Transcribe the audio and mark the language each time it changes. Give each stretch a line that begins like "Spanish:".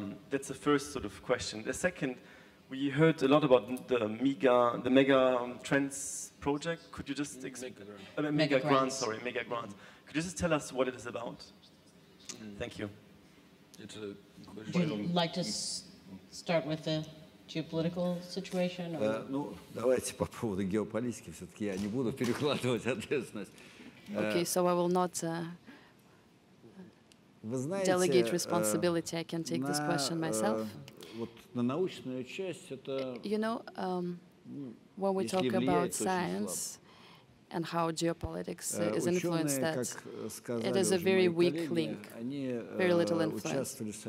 English: That's the first sort of question. The second, we heard a lot about the mega trends project. Could you just mega grants. Could you just tell us what it is about? Thank you. It's a question. Would you like to start with the geopolitical situation?
Russian: Давайте по поводу геополитики. Все-таки я не буду перекладывать ответственность.
English: Okay, so I will not. Delegate responsibility, I can take this question myself. When we talk about science and how geopolitics is influenced, that it is a very weak link, very little influence.